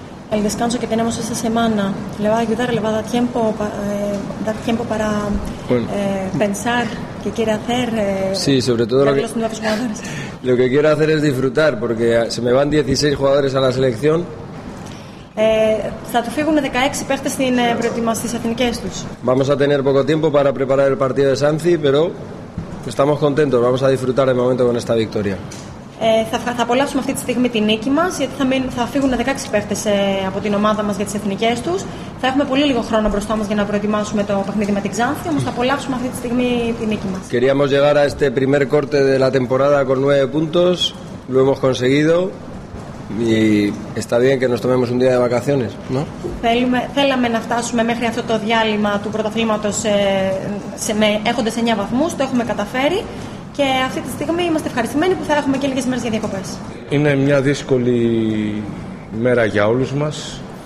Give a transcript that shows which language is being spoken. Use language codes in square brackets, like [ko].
[es] El descanso que tenemos esta semana le va a ayudar, le va a dar tiempo para pensar qué quiere hacer. Sí, sobre todo lo que quiero hacer es disfrutar, porque se me van 16 jugadores a la selección. [el] Θα του φύγουν 16 παίχτες στην προετοιμασία στις εθνικές τους. [es] Vamos a tener poco tiempo para preparar el partido de Sanzi, pero estamos contentos, vamos a disfrutar el momento con esta victoria. [el] Θα απολαύσουμε αυτή τη στιγμή τη νίκη μας, γιατί θα φύγουν 16 παίχτες από την ομάδα μας για τις εθνικές τους. Θα έχουμε πολύ λίγο χρόνο μπροστά μας για να προετοιμάσουμε το παιχνίδι με την Ξάνθη, όμως θα απολαύσουμε αυτή τη στιγμή τη νίκη μας. [es] Queríamos llegar a este primer corte de la temporada con 9 puntos, lo hemos conseguido. Y está bien que nos tomemos un día de vacaciones, ¿no? [el] Θέλαμε να φτάσουμε μέχρι αυτό το διάλειμμα του πρωταθλήματος έχοντας 9 βαθμούς, το έχουμε καταφέρει. Και αυτή τη στιγμή είμαστε ευχαριστημένοι που θα έχουμε και λίγες μέρες για διακοπές. Είναι μια δύσκολη μέρα για όλους μας.